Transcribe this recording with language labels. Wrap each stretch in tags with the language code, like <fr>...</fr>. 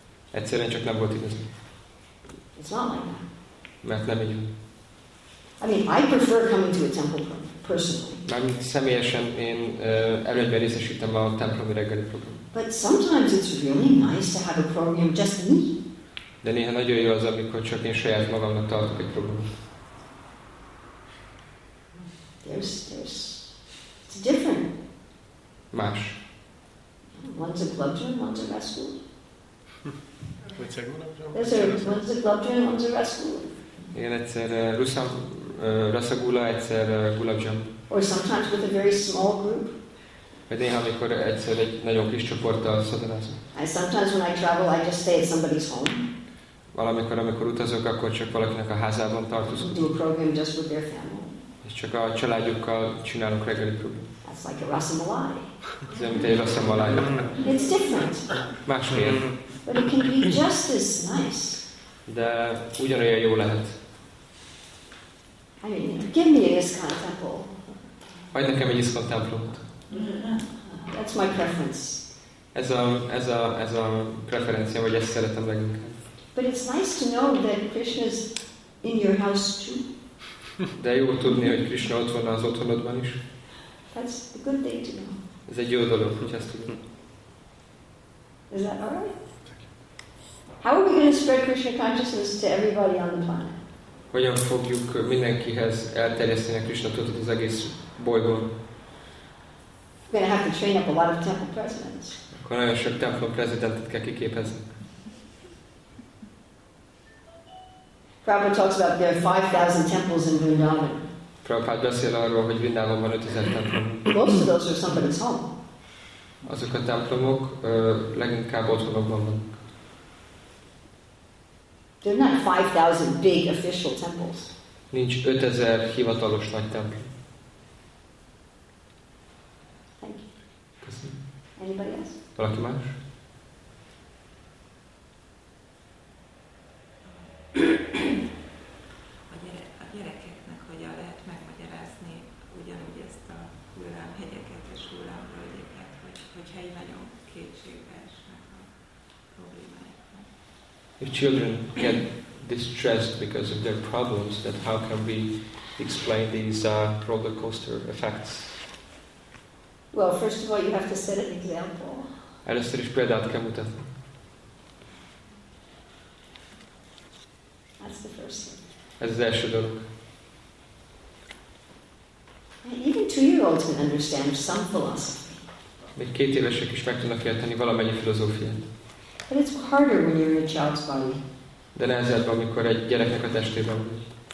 <hu>Egyszerűen csak nem volt igaza.</hu> <en>It's not like that.</en> <hu>Mert nem így.</hu> <en>I mean, I prefer coming to a temple personally.</en> <hu>Mert személyesen én előnyben részesítem a templomi reggeli program.</hu> <en>But sometimes it's really nice to have a program just me.</en> <hu>De néha nagyon jó az, amikor csak én saját magamnak tartok egy programot.</hu> <en>There's it's different.</en> <hu>Más.</hu> <en>One's a club gym, one's a rest school. What's that one? One's a club gym, one's a rest school.</en> <hu>Igen, egyszer rasagula, egyszer gulab jam.</hu> <en>Or sometimes with a very small group.</en> <hu>Vagy néha, amikor egyszer egy nagyon kis csoporttal szadarázom.</hu> <en>And sometimes when I travel, I just stay at somebody's home.</en> <hu>Valamikor, amikor utazok, akkor csak valakinek a házában tartozom.</hu> <en>Do a program just with their family.</en> <hu>És csak a családjukkal csinálunk reggeli program.</hu> <en>That's like a rasamalai.</en> <hu>Ez mint egy rasamalai.</hu> <en>It's different.</en> <hu>Másmilyen.</hu> <en>But it can be just as nice.</en> <hu>De ugyanolyan jó lehet.</hu> <en>I mean, give me an ISKCON temple.</en> <hu>Adj nekem egy ISKCON templomot.</hu> <en>That's my preference.</en> <hu>Ez a preferencia, vagy ezt szeretem leginkább.</hu> <en>But it's nice to know that Krishna's in your house too.</en> <hu>De jó tudni, hogy Krishna ott van az otthonodban is.</hu> <en>That's a good thing to know.</en> <hu>Ez egy jó dolog, hogy ezt tudom.</hu> <en>Is that all right? How are we going to spread Krishna consciousness to everybody on the planet?</en> <hu>Hogyan fogjuk mindenkihez elterjeszteni a Krishna tudatot az egész bolygón?</hu> <en>We're going to have to train up a lot of temple presidents.</en> <hu>Akkor nagyon sok templom prezidentet kell kiképezni.</hu> <en>Prabhupada talks about there are 5,000 temples in Vrindavan.</en> <hu>Prabhupada beszél arról, hogy Vrindavan van 5,000 templom.</hu> <en>Most of those are somebody's home.</en> <hu>Azok a templomok leginkább otthonokban vannak.</hu> <en>There are not 5,000 big official temples.</en> <hu>Nincs 5,000 hivatalos nagy templom.</hu> <en>Thank you.</en> <hu>Köszönöm.</hu> <en>Anybody else?</en> <hu>Valaki más? A gyerekeknek hogyan lehet megmagyarázni ugyanúgy ezt a hullámhegyeket és hullámvölgyeket, hogyha így nagyon kétségbe esnek a problémáiknak?</hu> <en>If children get distressed because of their problems, then how can we explain these roller coaster effects? Well, first of all, you have to set an example.</en> <hu>Először is példát kell mutatni.</hu> <en>That's the first thing.</en> <hu>Ez az első dolog.</hu> <en>Even 2-year-olds can understand some philosophy.</en> <hu>Még 2 évesek is meg tudnak érteni valamennyi filozófiát.</hu> <en>But it's harder when you're in a child's body.</en> <hu>De nehezebb, amikor egy gyereknek a testében vagy.</hu>